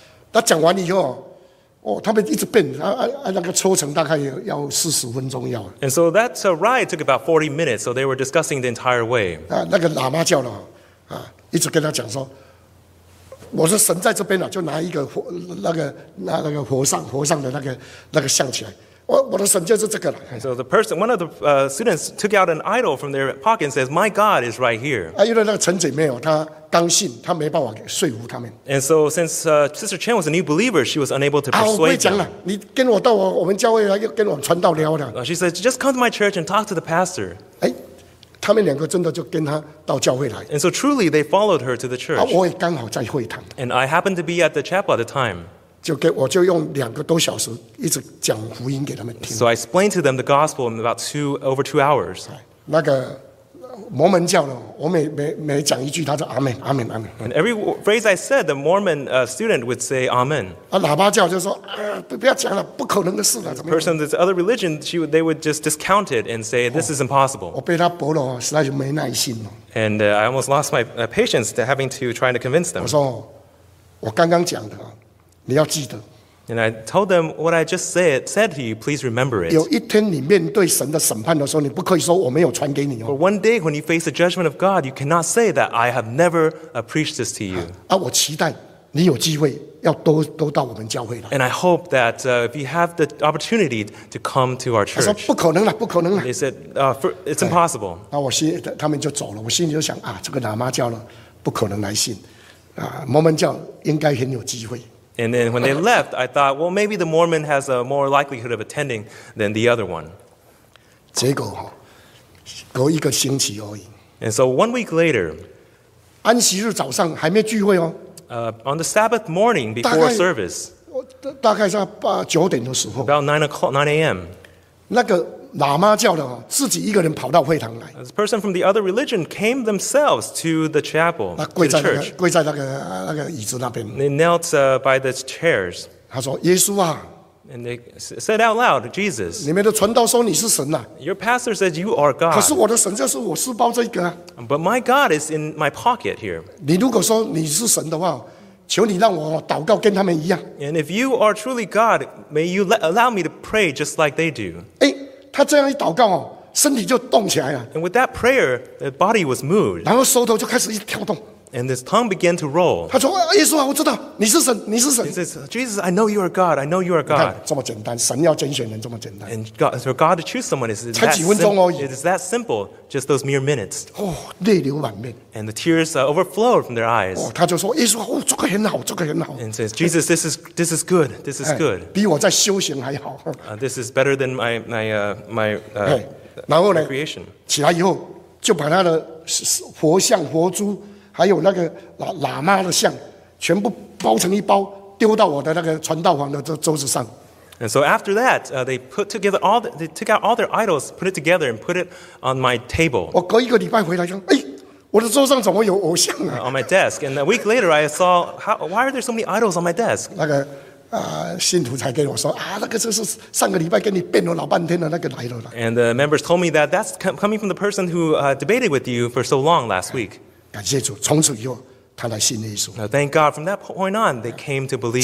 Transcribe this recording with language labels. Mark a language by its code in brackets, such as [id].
[zh] 那讲完以后，他们一直变，那个车程大概要40分钟要。 [en] And so that ride took about 40 minutes. So they were discussing the entire way. [zh] 那个喇嘛教了，一直跟他讲说，我说神在这边了，就拿一个火那个和尚的那个像起来。我的神就是这个了。 [en] So the person, one of the students took out an idol from their pocket and says, "My God is right here." [zh] 因为那个陈姐妹哦，她刚信，她没办法说服他们。 [en] And so since Sister Chen was a new believer, she was unable to persuade them. [zh] 我会讲了，你跟我到我们教会来，跟我们传道聊聊。 [en] She said, "Just come to my church and talk to the pastor." [zh] 他们两个真的就跟她到教会来。 [en] And so truly, they followed her to the church. [zh] 我也刚好在会堂。 [en] And I happened to be at the chapel at the time. [zh] 我就用2个多小时一直讲福音给他们听。 [en] So I explained to them the gospel in about over two hours. [zh] 那个摩门教呢，我每讲一句，他就阿门阿门阿门。 [en] And every phrase I said, the Mormon student would say amen. [zh] 喇叭教就说不要讲了，不可能的事了。 [en] Person that's other religion, they would just discount it and say this is impossible. [zh] 我被他驳了，实在是没耐心了。 [en] And I almost lost my patience to having to try to convince them. [zh] 我说我刚刚讲的。你要记得 [en] And I told them what I just said to you, please remember it. [zh] 有一天你面对神的审判的时候，你不可以说我没有传给你哦。 [en] But one day when you face the judgment of God, you cannot say that I have never preached this to you. [zh] 啊，我期待你有机会要多到我们教会来。 [en] And I hope that if you have the opportunity to come to our church. [zh] 他说不可能了，不可能了。 [en] They said, it's impossible. [zh] 那我心他们就走了，我心里就想啊，这个喇嘛教了，不可能来信。啊，摩门教应该很有机会。 [en] And then when they left, I thought, well, maybe the Mormon has a more likelihood of attending than the other one. [zh] 结果哦，隔一个星期而已。 [en] And so one week later, [zh] 安息日早上还没聚会哦。 [en] On the Sabbath morning before service, [zh] 大概在八九点的时候 [en] ，about 9 a.m. [zh] 那个喇嘛教的哦，自己一个人跑到会堂来。 [en] This person from the other religion came themselves to the chapel, [zh] 那跪在那个 跪在那个椅子那边。 [en] They knelt by the chairs. [zh] 他说：“耶稣啊。” [en] And they said out loud, "Jesus." [zh] 你们的传道说你是神呐。 [en] Your pastor says you are God. [zh] 可是我的神就是我书包这个。 [en] But my God is in my pocket here. [zh] 你如果说你是神的话。求你让我祷告跟他们一样。 [en] And if you are truly God, may you allow me to pray just like they do. [zh] 哎，他这样一祷告哦，身体就动起来了。 [en] And with that prayer, the body was moved. [zh] 然后舌头就开始一跳动。 [en] And his tongue began to roll. [zh] 他说：“耶稣啊，我知道你是神，你是神。 [en] ”He says, "Jesus, I know you are God. I know you are God." [zh] 这么简单，神要拣选人这么简单。 [en] And God, for God to choose someone is that simple. It is that simple, just those mere minutes. [zh] 哦，泪流满面。 [en] And the tears overflowed from their eyes. [zh] 哦，他就说：“耶稣，哦，这个很好，这个很好。 [en] ”And says, "Jesus, this is good. This is good." [zh] 比我在修行还好。 [en] This is better than my creation. [zh] 起来以后，就把他的佛像、佛珠。还有那个喇嘛的像，全部包成一包，丢到我的那个传道房的桌子上。 [en] And so after that, they took out all their idols, put it together, and put it on my table. [zh] 我隔一个礼拜回来说，哎，我的桌上怎么有偶像啊 [en] ？On my desk, and a week later, I saw why are there so many idols on my desk? [zh] 那个信徒才跟我说啊，那个就是上个礼拜跟你辩论老半天的那个来了。 [en] And the members told me that that's coming from the person who debated with you for so long last week. [zh] 感谢主，从此以后他来信耶稣。 [en] Now, thank God, from that point on, they came to believe.